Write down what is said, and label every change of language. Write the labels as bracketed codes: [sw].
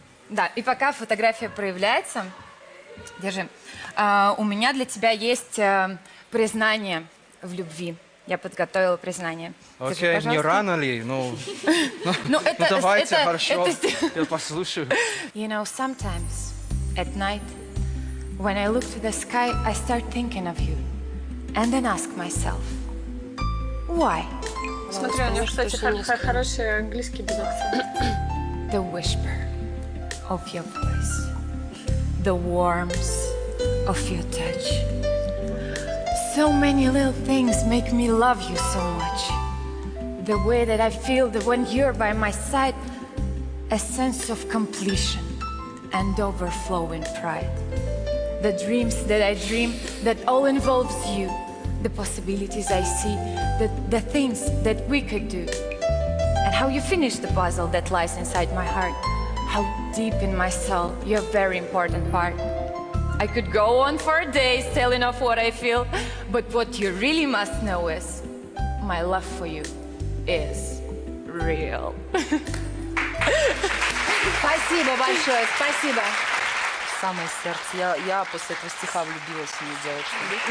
[ru] Да, и пока фотография проявляется, держи. У меня для тебя есть признание в любви. Я подготовила признание. Окей, okay, не рано ли? Ну, давайте, хорошо, я послушаю. [en] You know, sometimes at night, when I look to the sky, I start thinking of you. And then ask myself, why? [ru] Смотри, у него, кстати, хороший английский без акцента. [en] The whisper of your voice, the warmth of your touch. So many little things make me love you so much. The way that I feel that when you're by my side, a sense of completion and overflowing pride. The dreams that I dream that all involves you, the possibilities I see, the things that we could do, and how you finish the puzzle that lies inside my heart. How deep in my soul, your very important part. I could go on for days telling off what I feel, but what you really must know is, my love for you is real. [ru] Спасибо большое, спасибо. Самое сердце. Я после этого стиха влюбилась в нее, девочка.